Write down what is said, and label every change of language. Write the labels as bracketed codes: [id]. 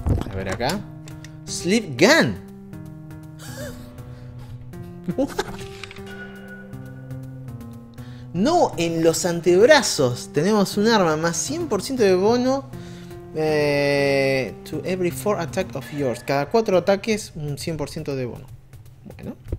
[es] A ver acá. Sleep No, en los antebrazos tenemos un arma más 100% de bono. [en] To every four attack of yours. [es] Cada cuatro ataques, un 100% de bono. Bueno.